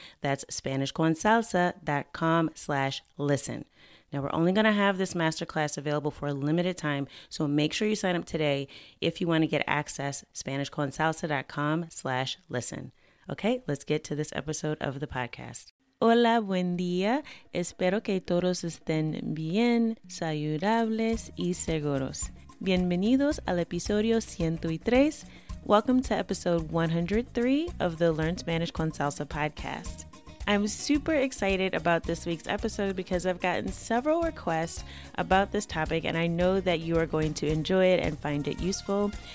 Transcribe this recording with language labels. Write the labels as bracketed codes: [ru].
[en] That's SpanishConSalsa.com/listen. Now, we're only going to have this masterclass available for a limited time, so make sure you sign up today if you want to get access, SpanishConSalsa.com/listen. Okay, let's get to this episode of the podcast. [es] Hola, buen día. Espero que todos estén bien, saludables y seguros. Bienvenidos al episodio 103. [en] Welcome to episode 103 of the Learn Spanish con Salsa podcast. I'm super excited about this week's episode because I've gotten several requests about this topic and I know that you are going to enjoy it and find it useful.